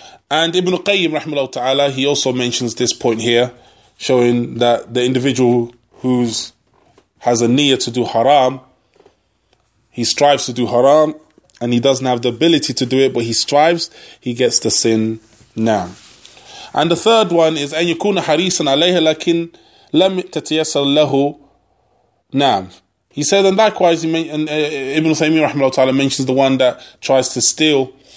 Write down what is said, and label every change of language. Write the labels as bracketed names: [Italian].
[English] And Ibn Qayyim, rahimahullah ta'ala, he also mentions this point here, showing that the individual who has a niyyah to do haram, he strives to do haram, and he doesn't have the ability to do it, but he strives, he gets the sin now. And the third one is, [Arabic] أَن يَكُونَ حَرِيصًا عَلَيْهَا لَكِنْ لَمْ تَتَيَسَّرْ لَهُ. Naam. [English] He said, and likewise, Ibn Taymiyyah rahimahullah ta'ala mentions the one that tries to steal.